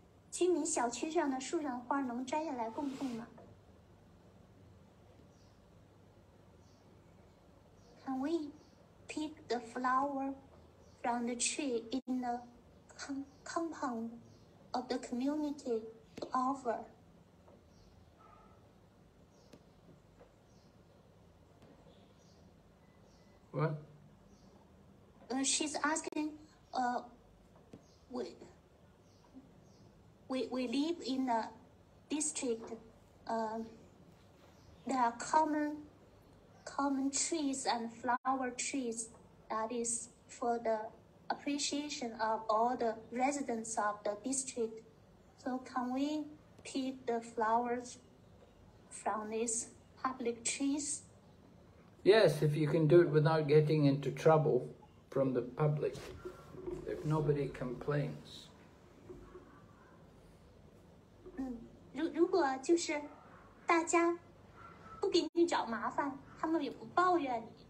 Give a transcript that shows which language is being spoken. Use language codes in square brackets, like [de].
[zh] 居民小区上的树上花能摘下来供奉吗？ [en] Can we pick the flower from the tree in the compound of the community to offer? What? She's asking, we live in a district, there are common trees and flower trees that is for the appreciation of all the residents of the district. So can we pick the flowers from these public trees? Yes, if you can do it without getting into trouble from the public, if nobody complains. [zh] 如果就是大家不给你找麻烦，他们也不抱怨你。